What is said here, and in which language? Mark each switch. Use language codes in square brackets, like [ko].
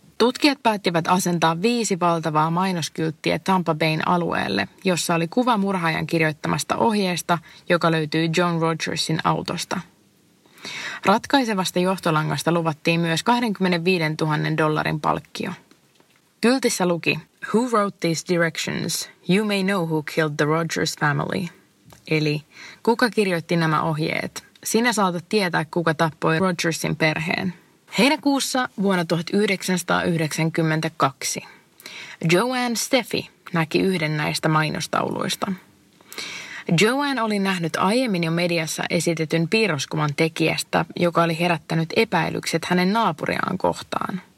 [fi] Tutkijat päättivät asentaa 5 valtavaa mainoskylttiä Tampa Bayn alueelle, jossa oli kuva murhaajan kirjoittamasta ohjeesta, joka löytyy John Rogersin autosta. Ratkaisevasta johtolangasta luvattiin myös $25,000 palkkio. Kyltissä luki, [en] "Who wrote these directions? You may know who killed the Rogers family." [fi] Eli kuka kirjoitti nämä ohjeet? Sinä saatat tietää, kuka tappoi Rogersin perheen. Heinäkuussa vuonna 1992 Joanne Steffi näki yhden näistä mainostauluista. Joanne oli nähnyt aiemmin jo mediassa esitetyn piirroskuvan tekijästä, joka oli herättänyt epäilykset hänen naapuriaan kohtaan.